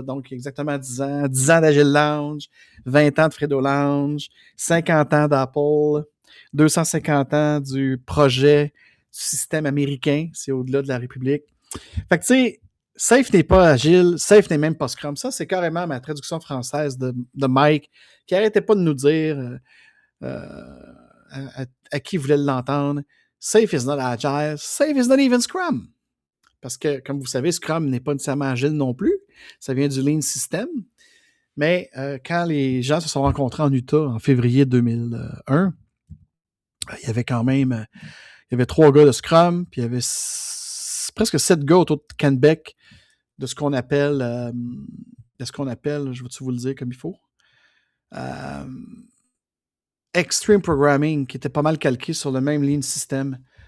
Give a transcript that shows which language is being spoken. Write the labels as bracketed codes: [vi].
[fr] Donc, exactement 10 ans. 10 ans d'Agile Lounge, 20 ans de Frédo Lounge, 50 ans d'Apple, 250 ans du projet du système américain. C'est au-delà de la République. Fait que tu sais, SAFE n'est pas agile, SAFE n'est même pas Scrum. Ça, c'est carrément ma traduction française de Mike, qui n'arrêtait pas de nous dire à qui voulait l'entendre. [en] SAFE is not agile, SAFE is not even Scrum. [fr] Parce que, comme vous savez, Scrum n'est pas nécessairement agile non plus. Ça vient du Lean System. Mais quand les gens se sont rencontrés en Utah en février 2001, il y avait quand même, il y avait 3 gars de Scrum, puis il y avait presque 7 gars autour de Ken Beck de ce qu'on appelle, je vais-tu vous le dire comme il faut, Extreme Programming, qui était pas mal calqué sur le même Lean System.